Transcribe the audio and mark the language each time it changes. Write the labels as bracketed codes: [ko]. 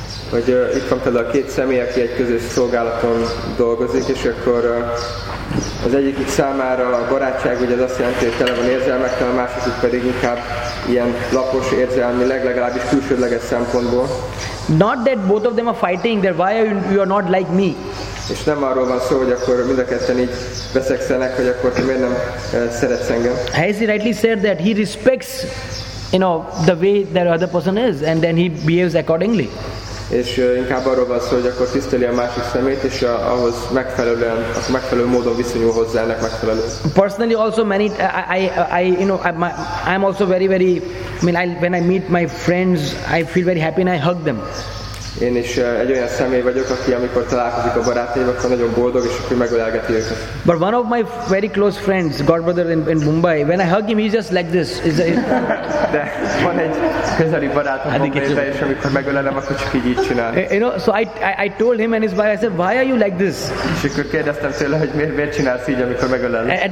[hu] Hogy itt van például a két személy, aki egy közös szolgálaton dolgozik, és akkor az egyik számára a barátság ugye az azt jelenti, hogy tele van érzelmekkel, a másik pedig inkább ilyen lapos érzelmi, legalábbis külsődleges szempontból. [en] Not that both of them are fighting, then why are you not like me? [hu] És nem arról van szó, hogy akkor mind a ketten így veszekszenek, hogy akkor te miért nem szeretsz engem. [en] Has he rightly said that he respects you know, the way that other person is, and then he behaves accordingly. [hu] És inkább arról van szó, hogy akkor tiszteli a másik szemét, és ahhoz megfelelően, az megfelelő módon viszonyul hozzá ennek megfelelően. [en] Personally, also many, I'm also very. I mean, when I meet my friends, I feel very happy and I hug them. [hu] Én is egy olyan személy vagyok, aki amikor találkozik a barátaival, akkor nagyon boldog és akkor megölelgeti őket. [en] But one of my very close friends, godbrother in Mumbai, when I hug him, he's just like this. [hu] De van egy közeli barátom Mumbaiban, és amikor megölelem, akkor csak így csinál. [en] You know, so I told him and his wife, I said, why are you like this? [hu] És akkor kérdeztem tőle, hogy miért csinálsz így, amikor megölelem.